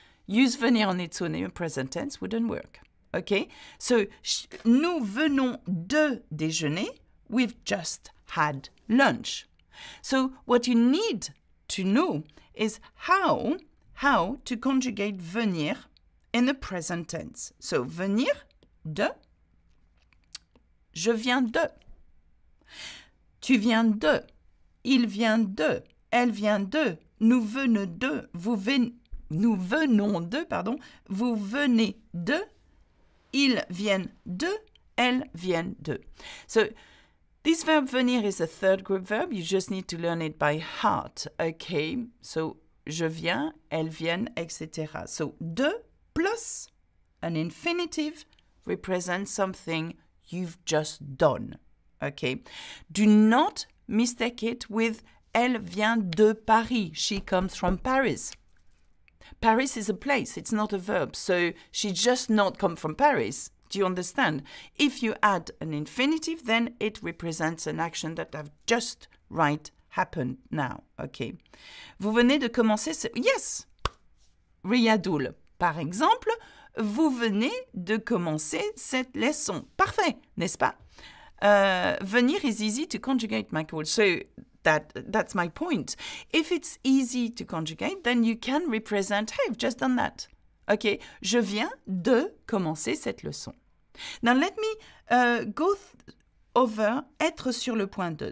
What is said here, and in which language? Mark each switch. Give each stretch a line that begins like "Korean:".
English: Use venir on its own in a present tense wouldn't work. Okay?
French: So nous venons de déjeuner.
English: We've just had lunch. So what you need to know is how to conjugate venir in the present tense.
French: So, venir de, je viens de, tu viens de, il vient de, elle vient de, nous venons de, vous venez de, ils viennent de, elles viennent de.
English: So, this verb venir is a third group verb. You just need to learn it by heart.
French: Okay, so je viens, elles viennent, etc.
English: So de plus an infinitive represents something you've just done. Okay, do not mistake it with
French: elle vient de Paris.
English: She comes from Paris. Paris is a place. It's not a verb. So she just not come from Paris. Do you understand? If you add an infinitive, then it represents an action that have just right happened now. Okay.
French: Vous venez de commencer.
English: Yes.
French: Riyadoul, par exemple, Vous venez de commencer cette leçon. Parfait, n'est-ce pas?
English: Venir is easy to conjugate, Michael. So that's my point. If it's easy to conjugate, then you can represent, hey, I've just done that.
French: OK, je viens de commencer cette leçon.
English: Now, let me go over être sur le point de.